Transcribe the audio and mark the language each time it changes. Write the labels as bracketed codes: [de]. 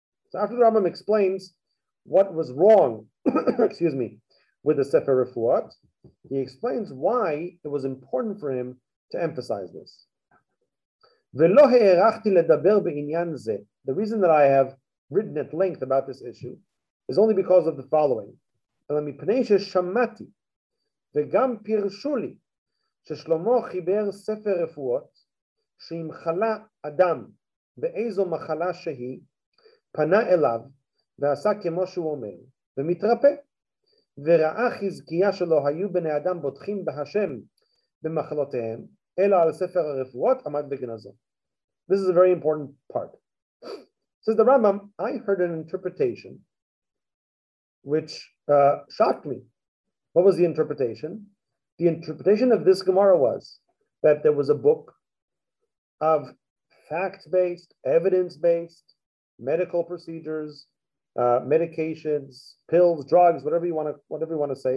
[en] So after the Rambam explains what was wrong, excuse me, with the Sefer Refuot, he explains why it was important for him to emphasize this. [he] V'lo he'erachti ledaber b'inyan ze. [en] The reason that I have written at length about this issue is only because of the following. [he] Elam ipnei she'shamati v'gam pirshuli she'shlomo chiber Sefer Refuot she'imchala adam be'ezo machala shehi פנה אליו ועשה כמו שהוא אומר ומתרפא וראה חזקיה שלו היו בני אדם בוטחים בהשם במחלותיהם אלא על ספר הרפואות עמד בגנזו. [en] This is a very important part. Says the Rambam, I heard an interpretation which shocked me. What was the interpretation? The interpretation of this Gemara was that there was a book of fact-based, evidence-based medical procedures, medications, pills, drugs, whatever you want to say.